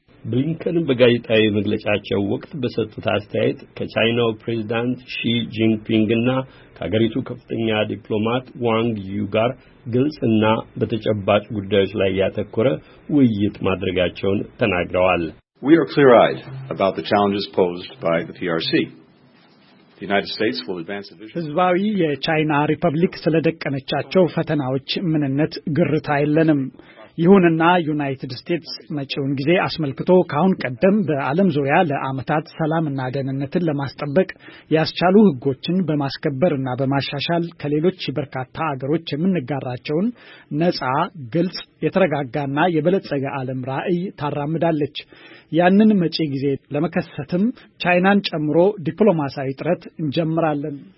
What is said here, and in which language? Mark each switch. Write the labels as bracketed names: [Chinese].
[Amharic] ብሊንከንም በጋዜጣዊ መግለጫቸው ወቅት በሰጡት አስተያየት ከቻይናው ፕሬዝዳንት ሺ ጂንፒንግና ከሀገሪቱ ከፍተኛ ዲፕሎማት ዋንግ ዩ ጋር ግልጽና በተጨባጭ ጉዳዮች ላይ ያተኮረ ውይይት ማድረጋቸውን ተናግረዋል። [English] We are clear-eyed about the challenges posed by the PRC. The United States will advance the vision. [Amharic] ህዝባዊ የቻይና ሪፐብሊክ ስለደቀነቻቸው ፈተናዎች ምንነት ግርታ የለንም። ይሁንና ዩናይትድ ስቴትስ መጪውን ጊዜ አስመልክቶ ካሁን ቀደም በዓለም ዙሪያ ለአመታት ሰላምና ደህንነትን ለማስጠበቅ ያስቻሉ ህጎችን በማስከበርና በማሻሻል ከሌሎች በርካታ ሀገሮች የምንጋራቸውን ነጻ፣ ግልጽ፣ የተረጋጋና የበለጸገ ዓለም ራዕይ ታራምዳለች። ያንን መጪ ጊዜ ለመከሰትም ቻይናን ጨምሮ ዲፕሎማሲያዊ ጥረት እንጀምራለን።